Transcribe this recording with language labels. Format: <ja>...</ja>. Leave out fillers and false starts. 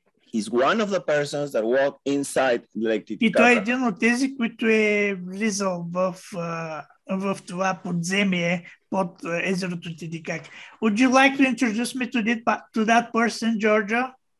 <en>He's one of the persons that walk inside Lake Titicaca.</en> <bg>И той е един от тези, които е влизал в това подземие под езерото Титикака.</bg> <en>Would you like to introduce me to that person, Georgia?</en>